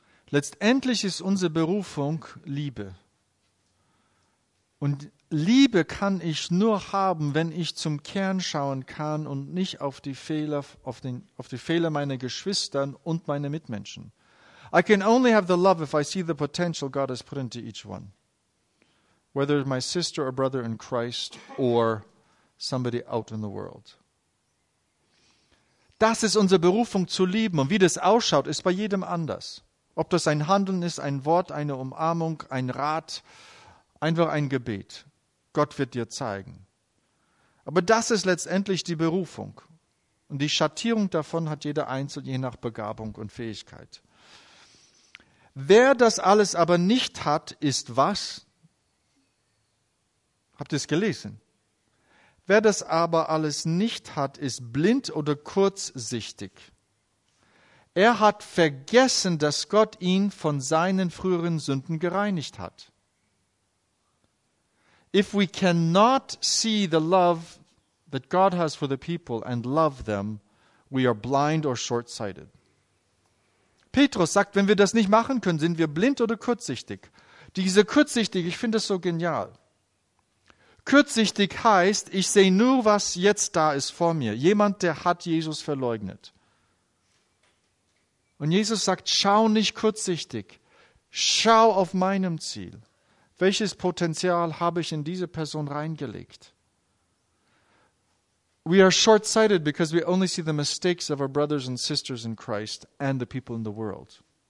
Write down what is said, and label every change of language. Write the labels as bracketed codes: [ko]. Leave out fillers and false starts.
[de] Letztendlich ist unsere Berufung Liebe. Und Liebe kann ich nur haben, wenn ich zum Kern schauen kann und nicht auf die Fehler, auf die Fehler meiner Geschwister und meiner Mitmenschen. [en] I can only have the love if I see the potential God has put into each one. Whether my sister or brother in Christ or somebody out in the world. [de] Das ist unsere Berufung zu lieben. Und wie das ausschaut, ist bei jedem anders. Ob das ein Handeln ist, ein Wort, eine Umarmung, ein Rat, einfach ein Gebet. Gott wird dir zeigen. Aber das ist letztendlich die Berufung. Und die Schattierung davon hat jeder Einzelne je nach Begabung und Fähigkeit. Wer das alles aber nicht hat, ist was? Habt ihr es gelesen? Wer das aber alles nicht hat, ist blind oder kurzsichtig. Er hat vergessen, dass Gott ihn von seinen früheren Sünden gereinigt hat. [en] If we cannot see the love that God has for the people and love them, we are blind or short-sighted. [de] Petrus sagt, wenn wir das nicht machen können, sind wir blind oder kurzsichtig. Diese kurzsichtig, ich finde das so genial. Kurzsichtig heißt, ich sehe nur, was jetzt da ist vor mir. Jemand, der hat Jesus verleugnet. Und Jesus sagt, schau nicht kurzsichtig. Schau auf meinem Ziel. Welches Potenzial habe ich in diese Person reingelegt? [en] We are short-sighted because we only see the mistakes of our brothers and sisters in Christ and the people in the world.